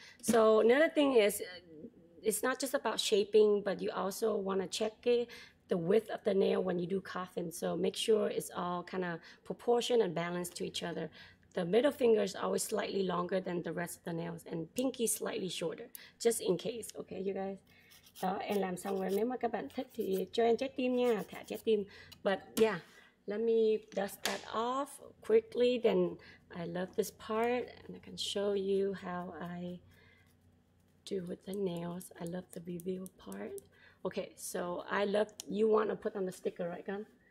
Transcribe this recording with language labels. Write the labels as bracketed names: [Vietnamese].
[English] So another thing is, it's not just about shaping, but you also want to check it, the width of the nail when you do coffin. So make sure it's all kind of proportioned and balanced to each other. The middle finger is always slightly longer than the rest of the nails, and pinky slightly shorter, just in case. Okay, you guys? [Vietnamese] Đó, em làm xong rồi. Nếu mà các bạn thích thì cho em trái tim nha, thả trái tim. [English] But yeah, let me dust that off quickly. Then I love this part, and I can show you how I do with the nails. I love the reveal part. Okay, so I love, you want to put on the sticker, right, Gun?